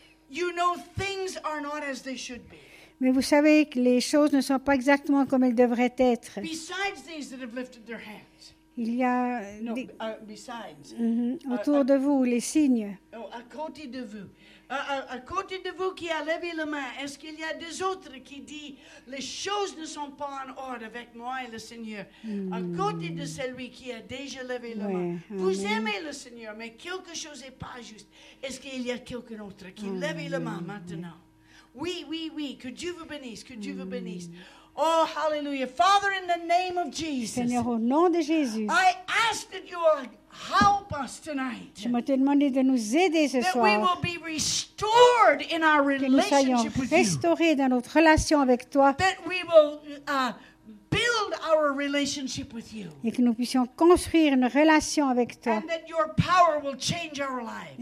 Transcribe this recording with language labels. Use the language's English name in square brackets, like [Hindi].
[English] You know things are not as they should be. [French] Mais vous savez que les choses ne sont pas exactement comme elles devraient être. [English] Besides these that have lifted their hands. [French] Il y a [English] no, des... besides. [French] Mm-hmm. Autour de vous les signes. Oh, à côté de vous. À côté de vous qui a levé la main, est-ce qu'il y a des autres qui disent les choses ne sont pas en ordre avec moi et le Seigneur? Mm. À côté de celui qui a déjà levé la main, vous aimez le Seigneur, mais quelque chose n'est pas juste. Est-ce qu'il y a quelqu'un d'autre qui lève la main maintenant? Oui, oui, oui, que Dieu vous bénisse, que Dieu vous bénisse. [English] Oh, hallelujah. Father, in the name of Jesus. [French] Seigneur, au nom de Jésus. [English] I ask that you will help us tonight. [French] Je m'étais demandé de nous aider ce [English] that [French] soir. [English] That we will be restored in our relationship with you. [French] Que nous soyons restaurés dans notre relation avec toi. [English] That we will build our relationship with you. [French] Et que nous puissions construire une relation avec toi. [English] And that your power will change our lives.